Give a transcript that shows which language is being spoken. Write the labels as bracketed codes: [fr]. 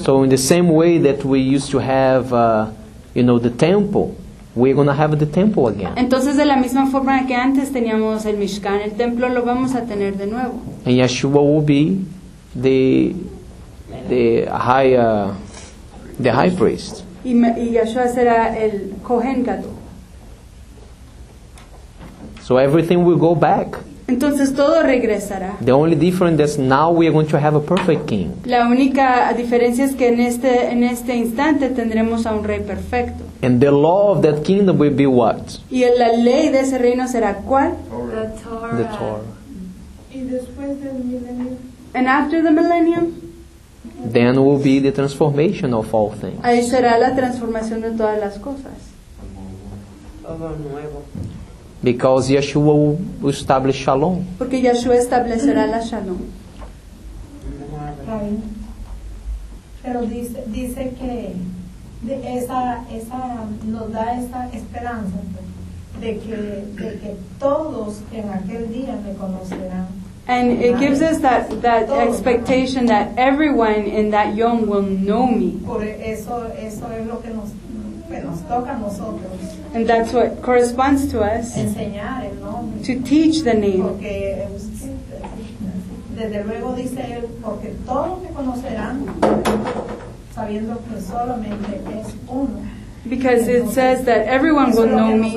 [en] So in the same way that we used to have, you know, the temple, we're going to have the temple again. [es] Entonces, de la misma forma que antes teníamos el Mishkan, el templo, lo vamos a tener de nuevo. [en] And Yeshua will be the high priest. [es] Y Yeshua será el Kohen Gadol. [en] So everything will go back. [es] Entonces todo regresará. [en] The only difference is now we are going to have a perfect king. [es] La única diferencia es que en este instante tendremos a un rey perfecto. [en] And the law of that kingdom will be what? [es] Y la ley de ese reino será ¿cuál? [en] The Torah. [es] Y después del milenio. [en] And after the millennium. Then will be the transformation of all things. [es] Ahí será la transformación de todas las cosas. Todo nuevo. [en] Because Yeshua will establish shalom. [es] Porque Yeshua establecerá la shalom. Caín. Pero dice que de esa nos da esa esperanza de que todos en aquel día me conocerán. [en] And it gives us that expectation that everyone in that yom will know me. [es] Por eso es lo que nos toca a nosotros. [en] And that's what corresponds to us. [es] Enseñar el nombre. [en] To teach the name. [es] Porque desde luego dice él, porque todos me conocerán, sabiendo que solamente es uno. [en] Because it says that everyone will know me.